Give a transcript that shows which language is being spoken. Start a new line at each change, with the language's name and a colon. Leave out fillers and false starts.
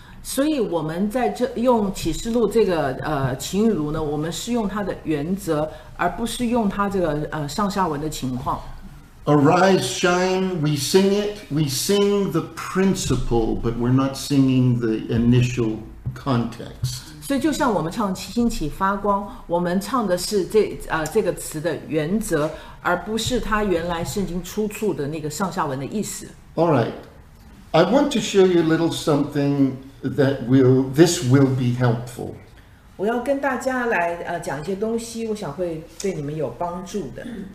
Chinese: 所以我们在这用启示录这个琴与炉呢，我们是用它的原则，而不是用它这个上下文的情况。
English: Arise, shine, we sing it. We sing the principle, but we're not singing the initial context.
Chinese: 所以就像我们唱兴起发光，我们唱的是这个词的原则。而不是他原来圣经出处的那个上下文的意思。
English: All right, I want to show you a little something that will this will be helpful.
Chinese: 我要跟大家来讲一些东西，我想会对你们有帮助的。